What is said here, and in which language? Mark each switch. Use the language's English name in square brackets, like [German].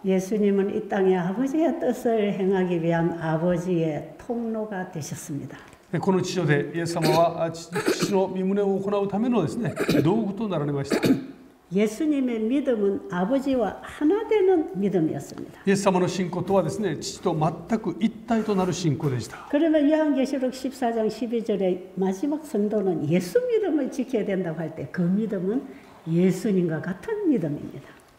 [Korean] 예수님은 이 땅에 아버지의 뜻을 행하기 위한 아버지의 통로가 되셨습니다. [Japanese] この地上でイエス様は父の御旨を行うためのですね、道具となられました。 [Korean] 예수님의 믿음은 아버지와 하나 되는 믿음이었습니다. [Japanese] 예수様の 信仰とはですね、父と全く一体となる信仰でした。 [Korean] 그러면 요한계시록 14장 12절에 마지막 성도는 예수 믿음을 지켜야 된다고 할 때 그 믿음은 예수님과 같은 믿음입니다.